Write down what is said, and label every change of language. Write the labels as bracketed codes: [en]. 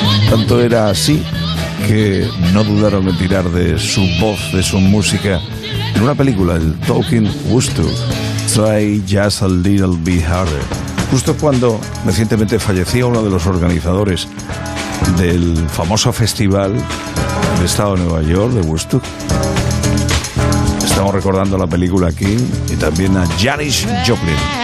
[es] Tanto era así que no dudaron en tirar de su voz, de su música, en una película, el Talking Woodstock. [en] Try just a little bit harder. [es] Justo cuando recientemente fallecía uno de los organizadores del famoso festival del estado de Nueva York, de Woodstock. Estamos recordando la película aquí y también a Janis Joplin.